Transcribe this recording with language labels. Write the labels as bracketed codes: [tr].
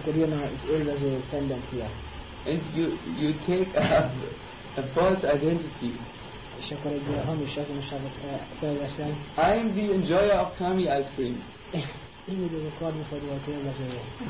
[hu] Akkor jön az élvező tendencia. [en] And you take a false identity. [hu] És akkor egy hamis azonosságot felveszel. [en] I am the enjoyer of kami ice cream. [hu] Én vagyok a karmifagyolat élvezője.